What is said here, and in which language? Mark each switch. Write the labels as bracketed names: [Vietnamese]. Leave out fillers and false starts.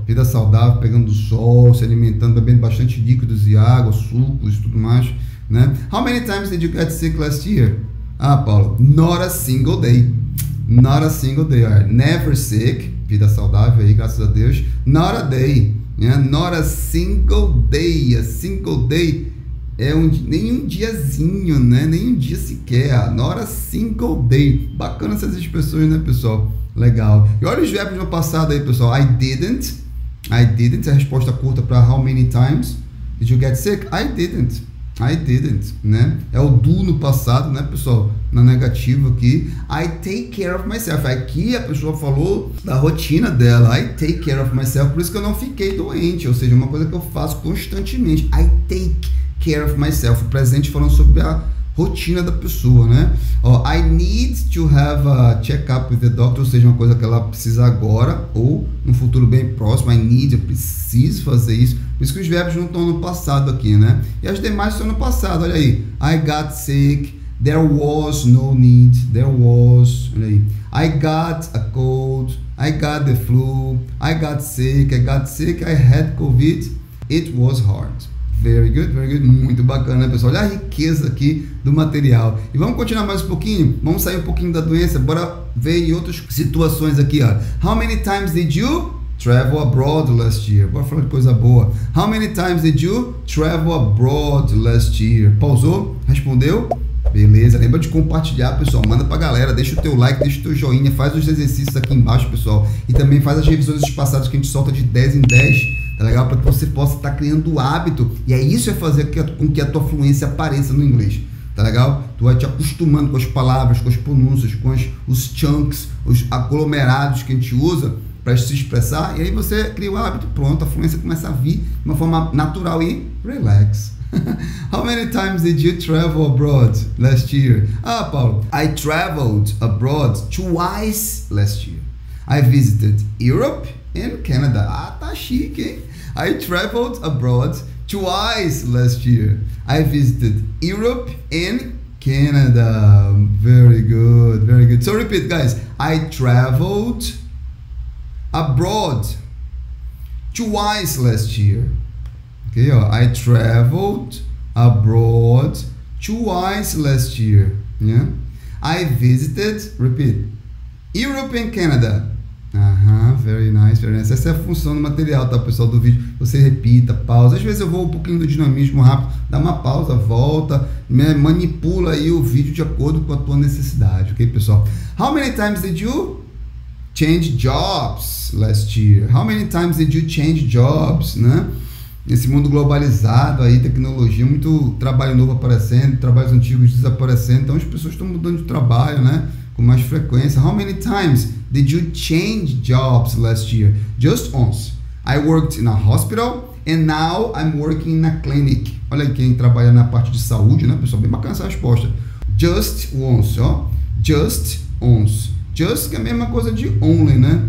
[Portuguese] Vida saudável, pegando sol, se alimentando, bebendo bastante líquidos e água, sucos e tudo mais. Né? [English] How many times did you get sick last year? Ah, Paulo, not a single day. Not a single day. Right? Never sick. [Portuguese] Vida saudável aí, graças a Deus. [English] Not a day. Yeah? Not a single day. A single day [Portuguese] é nenhum diazinho, né? Nenhum dia sequer. [English] Not a single day. [Portuguese] Bacana essas expressões, né, pessoal? Legal. E olha os verbos no passado aí, pessoal. [English] I didn't. I didn't. [Portuguese] A resposta curta para [English] how many times did you get sick? I didn't. I didn't, [Portuguese] né? É o do no passado, né, pessoal? Na negativa aqui. [English] I take care of myself. [Portuguese] Aqui a pessoa falou da rotina dela. [English] I take care of myself. [Portuguese] Por isso que eu não fiquei doente. Ou seja, uma coisa que eu faço constantemente. [English] I take care of myself. [Portuguese] O presente falando sobre a rotina da pessoa, né? [English] Oh, I need to have a check-up with the doctor. [Portuguese] Ou seja, uma coisa que ela precisa agora ou no futuro bem próximo. [English] I need, [Portuguese] eu preciso fazer isso. Por isso que os verbos não estão no passado aqui, né? E as demais estão no passado, olha aí. [English] I got sick, there was no need, there was, [Portuguese] olha aí. [English] I got a cold, I got the flu, I got sick, I had COVID, it was hard. Very good, very good. [Portuguese] Muito bacana, né, pessoal? Olha a riqueza aqui do material. E vamos continuar mais um pouquinho? Vamos sair um pouquinho da doença, bora ver em outras situações aqui, ó. [English] How many times did you travel abroad last year? [Portuguese] Bora falar de coisa boa. [English] How many times did you travel abroad last year? [Portuguese] Pausou? Respondeu? Beleza. Lembra de compartilhar, pessoal. Manda pra galera. Deixa o teu like, deixa o teu joinha. Faz os exercícios aqui embaixo, pessoal. E também faz as revisões dos passados que a gente solta de 10 em 10. Tá legal? Pra que você possa estar criando o hábito. E é isso que vai fazer com que a tua fluência apareça no inglês. Tá legal? Tu vai te acostumando com as palavras, com as pronúncias, com os chunks, os aglomerados que a gente usa para se expressar, e aí você cria o hábito, pronto, a fluência começa a vir de uma forma natural e relax. [English] How many times did you travel abroad last year? Ah, Paulo, I traveled abroad twice last year. I visited Europe and Canada. [Portuguese] Ah, tá chique, hein? [English] I traveled abroad twice last year. I visited Europe and Canada. Very good, very good. So repeat, guys. I traveled abroad twice last year. Okay, ó. I traveled abroad twice last year. Yeah. I visited, repeat, Europe and Canada. Uh-huh, very nice, very nice. [Portuguese] Essa é a função do material, tá, pessoal, do vídeo. Você repita, pausa. Às vezes eu vou um pouquinho do dinamismo rápido, dá uma pausa, volta, manipula aí o vídeo de acordo com a tua necessidade. Ok, pessoal? [English] How many times did you change jobs last year? How many times did you change jobs, né? [Portuguese] Nesse mundo globalizado aí, tecnologia, muito trabalho novo aparecendo, trabalhos antigos desaparecendo, então as pessoas estão mudando de trabalho, né? Com mais frequência. [English] How many times did you change jobs last year? Just once. I worked in a hospital and now I'm working in a clinic. [Portuguese] Olha quem trabalha na parte de saúde, né, pessoal? Bem bacana essa resposta. [English] Just once, ó. Just once. [Portuguese] Just que é a mesma coisa de only, né?